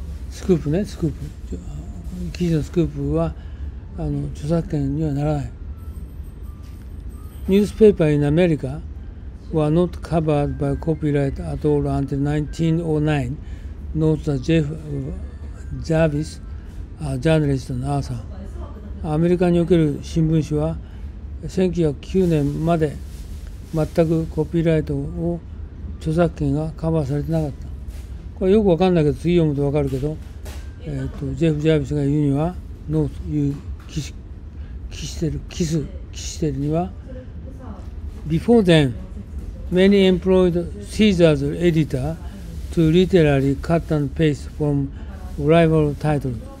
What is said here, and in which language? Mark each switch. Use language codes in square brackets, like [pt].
[ja] スクープね、スクープ、記事のスクープは著作権にはならない。 [en] ニュースペーパーインアメリカは not covered by copyright at all until 1909 notes a Jeff Jarvis, a journalist and author。 [ja] アメリカにおける新聞紙は1909年まで全くコピーライトを著作権がカバーされてなかった。これよくわかんないけど、次読むとわかるけど、ジェフ・ジャービスが言うにはノーという記してるには [en] Before then, many employed Caesar's editor to literally cut and paste from rival titles.